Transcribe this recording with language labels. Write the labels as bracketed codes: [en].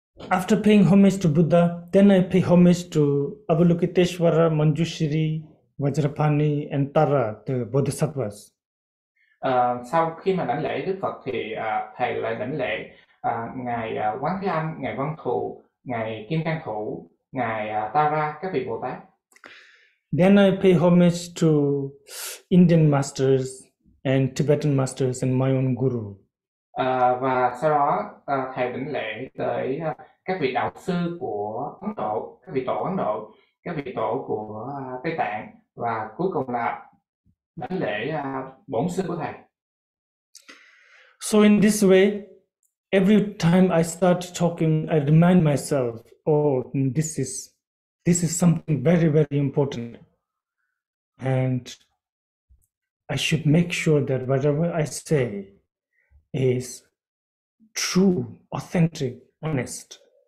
[en] After paying homage to Buddha, then I pay homage to Avalokiteshvara, Manjushri, Vajrapani and Tara, the Bodhisattvas. [vi] Sau khi mà đảnh lễ Đức Phật thì thầy lại đảnh lễ ngài Quán Thế Âm, ngài Văn Thù, ngài Kim Cang Thủ, ngài Tara, các vị Bồ Tát. [en] Then I pay homage to Indian masters and Tibetan masters and my own guru. [vi] Và sau đó thầy đảnh lễ tới các vị đạo sư của Ấn Độ, các vị tổ Ấn Độ, các vị tổ của Tây Tạng, và cuối cùng là đảnh lễ bổn sư của thầy. [en] So in this way, every time I start talking, I remind myself, oh, this is something very, very important, and I should make sure that whatever I say is true, authentic, honest.